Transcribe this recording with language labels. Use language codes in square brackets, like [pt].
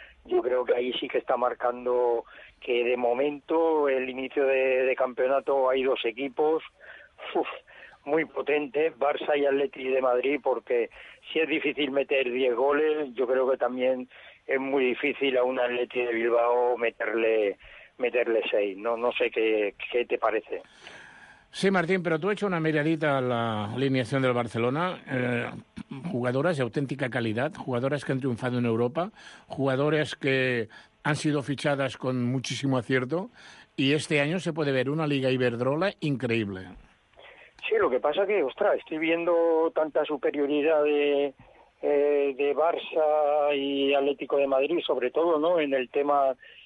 [es] Yo creo que ahí sí que está marcando que, de momento, el inicio de campeonato hay dos equipos muy potentes, Barça y Atleti de Madrid, porque si es difícil meter 10 goles, yo creo que también es muy difícil a un Atleti de Bilbao meterle 6. No sé qué te parece. [ca] Sí, Martín, però tu has fet una miradita a l'alineació del Barcelona. Jugadores d'autèntica qualitat, jugadores que han triomfat en Europa, [es] jugadores que han sido fichades con muchísimo acierto, y este año se puede ver una Liga Iberdrola increíble. Sí, lo que pasa que, ostras, estoy viendo tanta superioridad de Barça y Atlético de Madrid, sobre todo, ¿no?, en el tema...